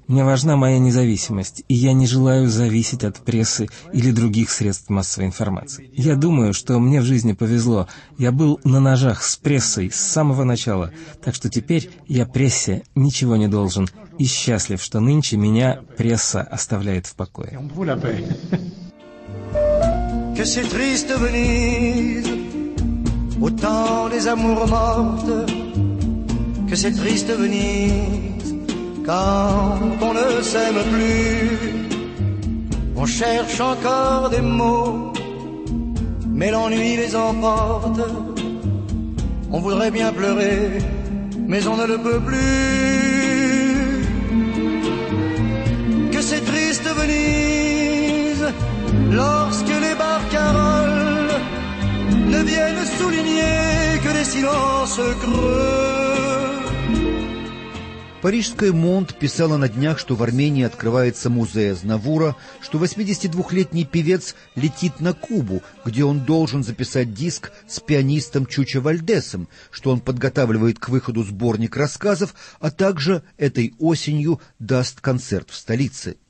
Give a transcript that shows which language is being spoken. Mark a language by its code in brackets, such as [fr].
[ru] Мне важна моя независимость, и я не желаю зависеть от прессы или других средств массовой информации. Я думаю, что мне в жизни повезло. Я был на ножах с прессой с самого начала, так что теперь я прессе ничего не должен. И счастлив, что нынче меня пресса оставляет в покое. [fr] Que c'est triste Venise, autant des amours mortes. Que c'est triste Venise, quand on ne s'aime plus. On cherche encore des mots, mais l'ennui les emporte. On voudrait bien pleurer, mais on ne le peut plus. C'est triste Venise Lorsque les barcaroles Ne viennent souligner Que des silences creux [ru] Парижская «Монд» писала на днях, что в Армении открывается музей Азнавура, что 82-летний певец летит на Кубу, где он должен записать диск с пианистом Чучо Вальдесом, что он подготавливает к выходу сборник рассказов, а также этой осенью даст концерт в столице.